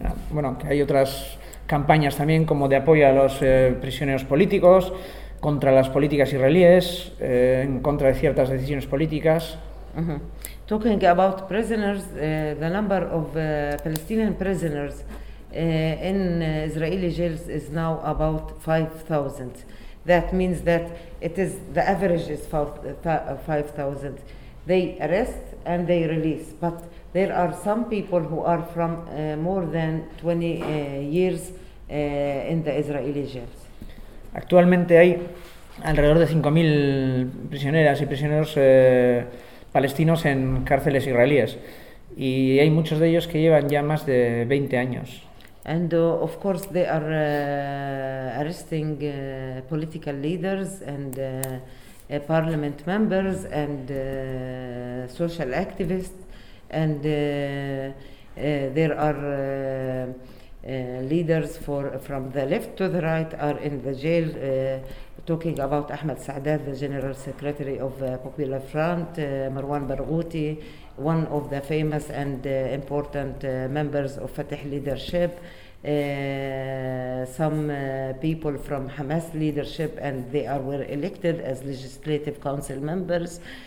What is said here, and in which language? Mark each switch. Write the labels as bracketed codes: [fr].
[es] Bueno, que hay otras campañas también como de apoyo a los prisioneros políticos, contra las políticas israelíes, en contra de ciertas decisiones políticas. Uh-huh. [en] Talking about prisoners, the number of Palestinian prisoners in Israeli jails is now about 5,000. That means that it is the average is 5,000. They arrest and they release, but there are some people who are from more than 20 years in the Israeli jails. [es] Actualmente hay alrededor de 5,000 prisioneras y prisioneros palestinos en cárceles israelíes, y hay muchos de ellos que llevan ya más de 20 años. [en] And of course they are arresting political leaders and parliament members and social activists. And there are leaders from the left to the right are in the jail, talking about Ahmed Saadat, the general secretary of Popular Front, Marwan Barghouti, one of the famous and important members of Fatah leadership, some people from Hamas leadership, and they were elected as legislative council members.